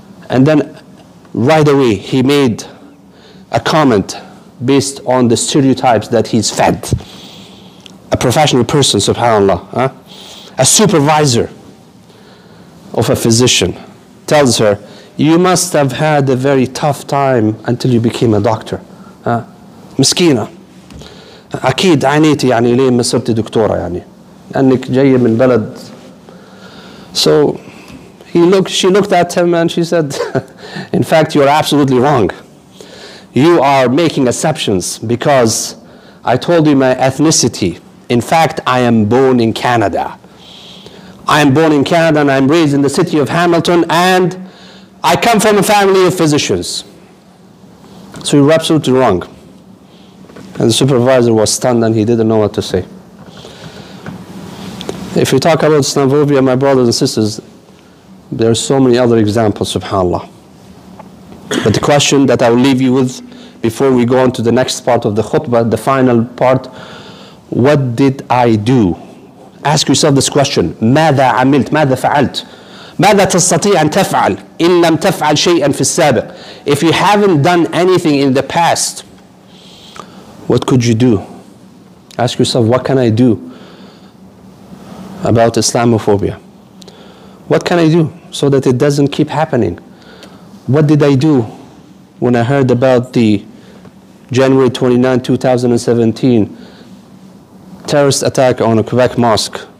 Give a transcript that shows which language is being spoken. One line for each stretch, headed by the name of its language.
English: And then right away he made a comment based on the stereotypes that he's fed. A professional person, subhanAllah. Huh? A supervisor of a physician tells her, you must have had a very tough time until you became a doctor.
Arabic: Miskina. أكيد عانيتي يعني لين ما صرت دكتورة يعني لأنك جاية من بلد.
English: So she looked at him and she said, in fact, you are absolutely wrong. You are making exceptions because I told you my ethnicity. In fact, I am born in Canada. I am born in Canada and I'm raised in the city of Hamilton and I come from a family of physicians. So you're absolutely wrong. And the supervisor was stunned and he didn't know what to say. If we talk about Islamophobia, my brothers and sisters, there are so many other examples, subhanAllah. But the question that I will leave you with before we go on to the next part of the khutbah, the final part, what did I do? Ask yourself this question,
Arabic: ماذا عملت, ماذا فعلت, ماذا تستطيع أن تفعل, إن لم تفعل شيئا في السابق.
English: If you haven't done anything in the past, what could you do? Ask yourself, what can I do about Islamophobia? What can I do so that it doesn't keep happening? What did I do when I heard about the January 29, 2017 terrorist attack on a Quebec mosque?